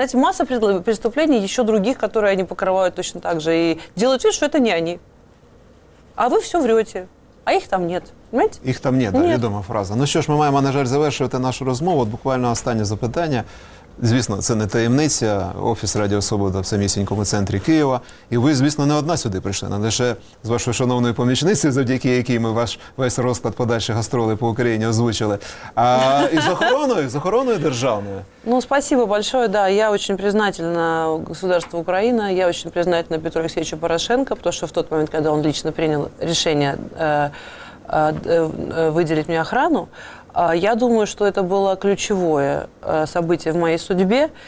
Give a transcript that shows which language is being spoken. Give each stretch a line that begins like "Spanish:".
Russian: Знаете, масса преступлений еще других, которые они покрывают точно так же. И делают вид, что это не они. А вы все врете. А их там нет. Понимаете? Их там нет, да,
Ukrainian: відома фраза. Ну що ж, ми маємо, на жаль, завершувати нашу розмову. От буквально останнє запитання. Звісно, це не таємниця. Офіс Радіо Свобода в самісінькому центрі Києва. І ви, звісно, не одна сюди прийшли. Не лише з вашою шановною помічницею, завдяки якій ми весь розклад подальших гастролей по Україні озвучили, а і з охороною державною.
Russian: Ну, спасибо большое, да. Я очень признательна государству Украина, я очень признательна Петру Алексеевичу Порошенко, потому что в тот момент, когда он лично принял решение выделить мне охрану, я думаю, что это было ключевое событие в моей судьбе.